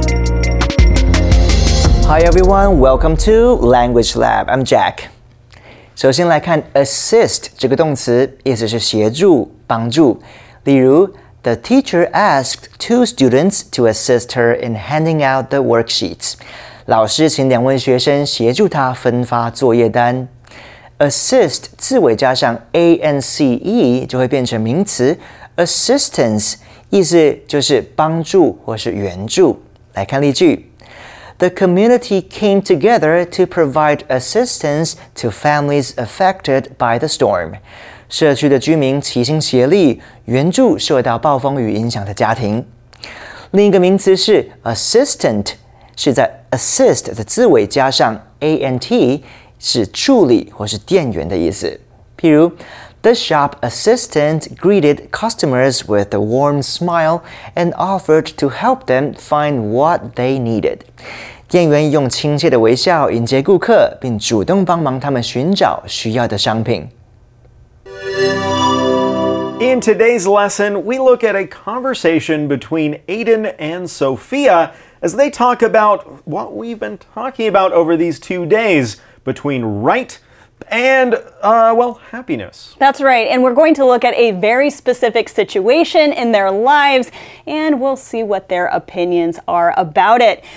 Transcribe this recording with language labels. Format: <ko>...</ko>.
<en>Hi everyone, welcome to Language Lab. I'm Jack.</en> <zh>首先来看 assist 这个动词，意思是协助、帮助。例如</zh> <en>，The teacher asked 2 students to assist her in handing out the worksheets.</en> <zh>老师请两位学生协助她分发作业单。 Assist 字尾加上 ance 就会变成名词 assistance， 意思就是帮助或是援助。来看例句。</zh> <en>The community came together to provide assistance to families affected by the storm.</en> <zh>社区的居民齐心协力，援助受到暴风雨影响的家庭。另一个名词是 assistant， 是在 assist 的字尾加上 ant， 是助理或是店员的意思。譬如</zh> <en>，The shop assistant greeted customers with a warm smile and offered to help them find what they needed.</en> <zh>店员用亲切的微笑迎接顾客，并主动帮忙他们寻找需要的商品。</zh> <en>In today's lesson, we look at a conversation between Aiden and Sophia as they talk about what we've been talking about over these 2 days between right and, happiness. That's right, and we're going to look at a very specific situation in their lives, and we'll see what their opinions are about it.</en>